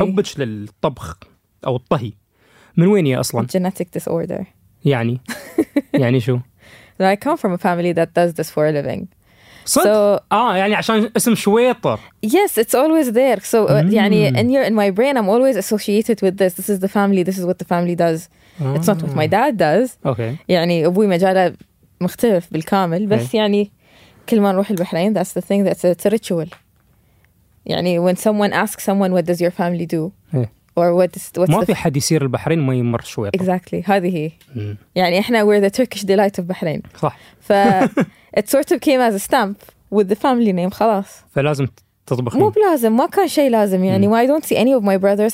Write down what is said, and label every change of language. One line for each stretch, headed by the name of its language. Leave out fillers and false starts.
Arabic: حبك للطبخ أو الطهي من وين يا أصلا؟
English: Genetic disorder.
Arabic: يعني شو؟
English: that I come from a family that does this for a living.
Arabic: So, يعني عشان اسم شويطر.
English: Yes, it's always there. So, يعني in my brain, I'm always associated with this. This is the family. This is what the family does. It's not what my dad does. Okay.
Arabic: يعني أبوي مجاله مختلف بالكامل. بس يعني كل ما نروح البحرين,
English: that's the thing. That's it's a ritual. يعني when someone asks someone, what does your family do? Or what's
Arabic: ما في حد يصير البحرين ما يمر شويطر.
English: Exactly.
Arabic: هذه هي. يعني إحنا
English: we're the Turkish delight of بحرين.
Arabic: صح.
English: ف it sort of came as a stamp with the family name.
Arabic: خلاص. فلازم تطبخين. مو بلازم. ما كان شيء لازم.
English: يعني I don't see any of my brothers.